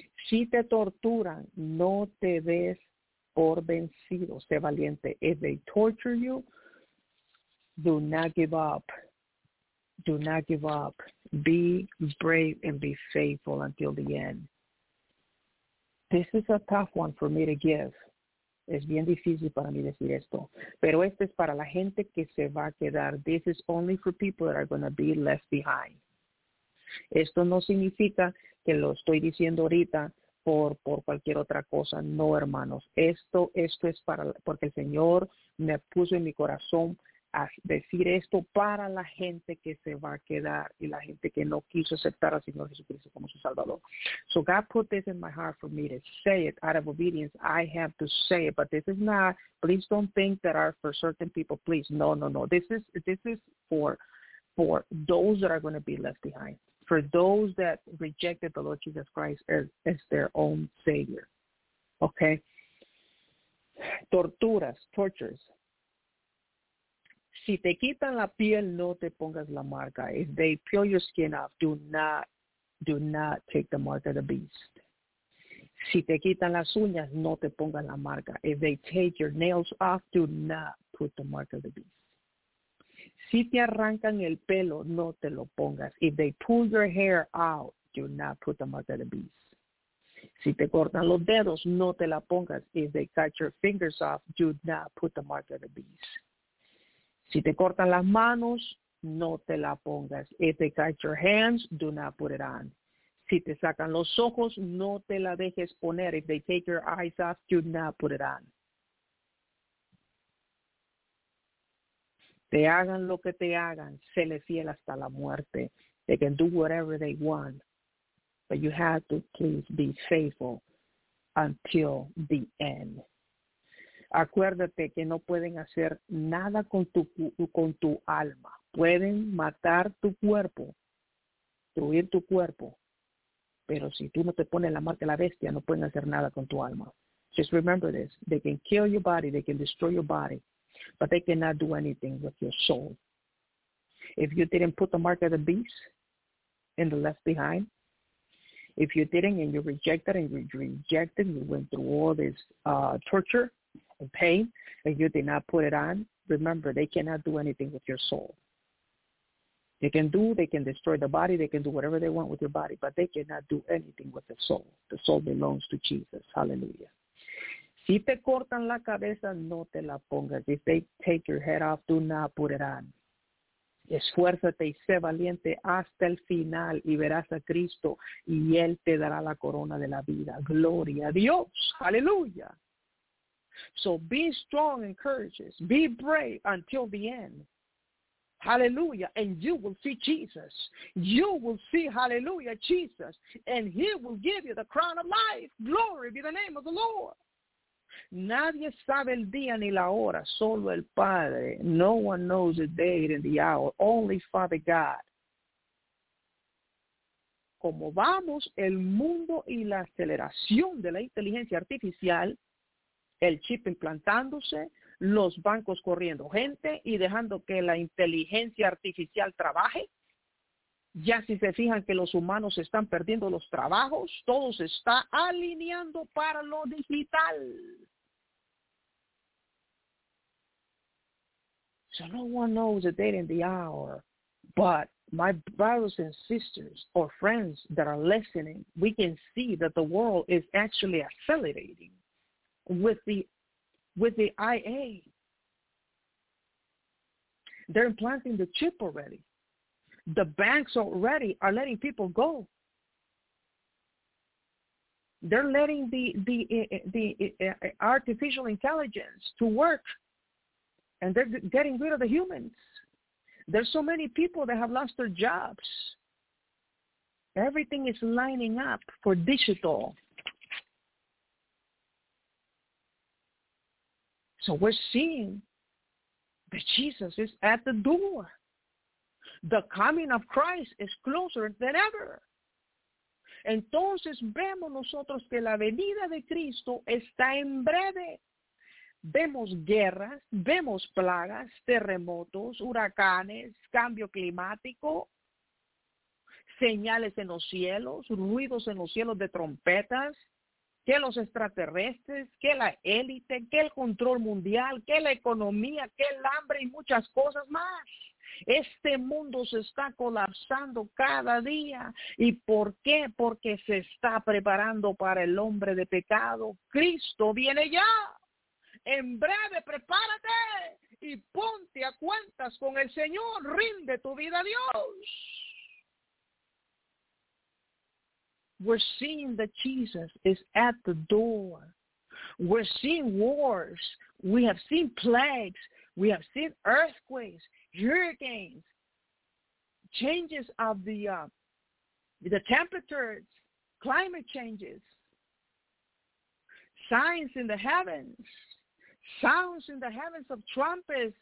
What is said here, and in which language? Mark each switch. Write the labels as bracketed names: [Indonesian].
[Spanish] Si te torturan, no te des por vencido. Sé valiente. [English] If they torture you, do not give up. Do not give up. Be brave and be faithful until the end. This is a tough one for me to give. [Spanish] Es bien difícil para mí decir esto. Pero este es para la gente que se va a quedar. [English] This is only for people that are going to be left behind. [Spanish] Esto no significa que lo estoy diciendo ahorita por cualquier otra cosa. No, hermanos. Esto es para, porque el Señor me puso en mi corazón a decir esto para la gente que se va a quedar y la gente que no quiso aceptar al Señor Jesucristo como su Salvador. [English] So God put this in my heart for me to say it out of obedience. I have to say it, but this is not, please don't think that are for certain people, please. No, no, no. This is for those that are going to be left behind, for those that rejected the Lord Jesus Christ as their own Savior. Okay? Torturas, tortures. [Spanish] Si te quitan la piel, no te pongas la marca. [English] If they peel your skin off, do not take the mark of the beast. [Spanish] Si te quitan las uñas, no te pongas la marca. [English] If they take your nails off, do not put the mark of the beast. [Spanish] Si te arrancan el pelo, no te lo pongas. [English] If they pull your hair out, do not put the mark of the beast. [Spanish] Si te cortan los dedos, no te la pongas. [English] If they cut your fingers off, do not put the mark of the beast. [Spanish] Si te cortan las manos, no te la pongas. [English] If they cut your hands, do not put it on. [Spanish] Si te sacan los ojos, no te la dejes poner. [English] If they take your eyes off, do not put it on. [Spanish] Te hagan lo que te hagan, se le fiel hasta la muerte. [English] They can do whatever they want, but you have to please be faithful until the end. [Spanish] Acuérdate que no pueden hacer nada con tu alma. Pueden matar tu cuerpo, destruir tu cuerpo, pero si tú no te pones la marca de la bestia, no pueden hacer nada con tu alma. [English] Just remember this. They can kill your body. They can destroy your body, but they cannot do anything with your soul. If you didn't put the mark of the beast and the left behind, if you didn't and you rejected and you rejected, you went through all this torture and pain, and you did not put it on, remember, they cannot do anything with your soul. They can destroy the body, they can do whatever they want with your body, but they cannot do anything with the soul. The soul belongs to Jesus. Hallelujah. [Spanish] Si te cortan la cabeza, no te la pongas. [English] If they take your head off, do not put it on. [Spanish] Esfuérzate y sé valiente hasta el final y verás a Cristo y Él te dará la corona de la vida. Gloria a Dios. [English] Hallelujah. So be strong and courageous. Be brave until the end. Hallelujah. And you will see Jesus. You will see, hallelujah, Jesus. And He will give you the crown of life. Glory be the name of the Lord. [Spanish] Nadie sabe el día ni la hora, solo el Padre. [English] No one knows the day and the hour, only Father God. [Spanish] Como vamos, el mundo y la aceleración de la inteligencia artificial, el chip implantándose, los bancos corriendo gente y dejando que la inteligencia artificial trabaje. Ya si se fijan que los humanos están perdiendo los trabajos, todo se está alineando para lo digital. [English] So no one knows the date and the hour, but my brothers and sisters or friends that are listening, we can see that the world is actually accelerating with the IA. They're implanting the chip already. The banks already are letting people go. They're letting the artificial intelligence to work, and they're getting rid of the humans. There's so many people that have lost their jobs. Everything is lining up for digital. So we're seeing that Jesus is at the door. The coming of Christ is closer than ever. [Spanish] Entonces vemos nosotros que la venida de Cristo está en breve. Vemos guerras, vemos plagas, terremotos, huracanes, cambio climático, señales en los cielos, ruidos en los cielos de trompetas, que los extraterrestres, que la élite, que el control mundial, que la economía, que el hambre y muchas cosas más. Este mundo se está colapsando cada día. ¿Y por qué? Porque se está preparando para el hombre de pecado. Cristo viene ya. En breve, prepárate y ponte a cuentas con el Señor. Rinde tu vida a Dios. [English] We're seeing that Jesus is at the door. We're seeing wars. We have seen plagues. We have seen earthquakes, hurricanes, changes of the temperatures, climate changes, signs in the heavens, sounds in the heavens of trumpets.